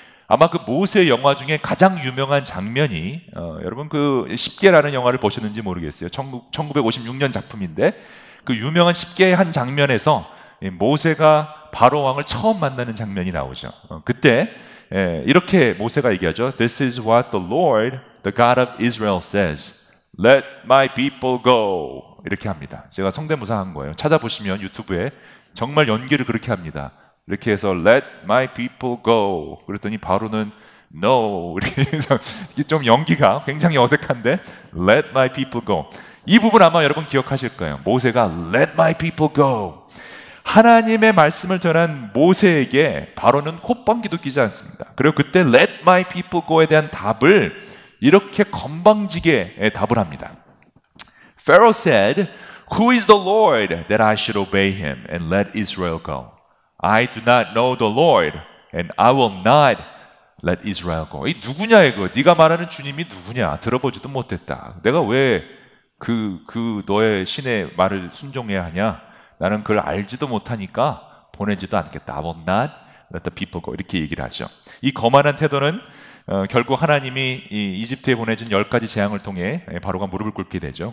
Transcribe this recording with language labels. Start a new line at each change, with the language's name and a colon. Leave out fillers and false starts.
Korean: 아마 그 모세 영화 중에 가장 유명한 장면이 여러분 그 십계라는 영화를 보셨는지 모르겠어요. 1956년 작품인데 그 유명한 십계의 한 장면에서 모세가 바로 왕을 처음 만나는 장면이 나오죠. 그때 이렇게 모세가 얘기하죠.
English: This is what the Lord, the God of Israel says. Let my people go.
Korean: 이렇게 합니다. 제가 성대모사한 거예요. 찾아보시면 유튜브에 정말 연기를 그렇게 합니다. 이렇게 해서
English: Let my people go.
Korean: 그랬더니 바로는
English: No.
Korean: 이게 좀 연기가 굉장히 어색한데
English: Let my people go.
Korean: 이 부분 아마 여러분 기억하실 거예요. 모세가
English: Let my people go.
Korean: 하나님의 말씀을 전한 모세에게 바로는 콧방귀도 끼지 않습니다. 그리고 그때
English: Let my people go
Korean: 에 대한 답을 이렇게 건방지게 답을 합니다.
English: Pharaoh said, Who is the Lord that I should obey him and let Israel go? I do not know the Lord and I will not let Israel go.
Korean: 이 누구냐 이거? 네가 말하는 주님이 누구냐? 들어보지도 못했다. 내가 왜 그 너의 신의 말을 순종해야 하냐? 나는 그걸 알지도 못하니까 보내지도 않겠다.
English: I will not let the people go.
Korean: 이렇게 얘기를 하죠. 이 거만한 태도는 결국 하나님이 이집트에 보내준 열 가지 재앙을 통해 바로가 무릎을 꿇게 되죠.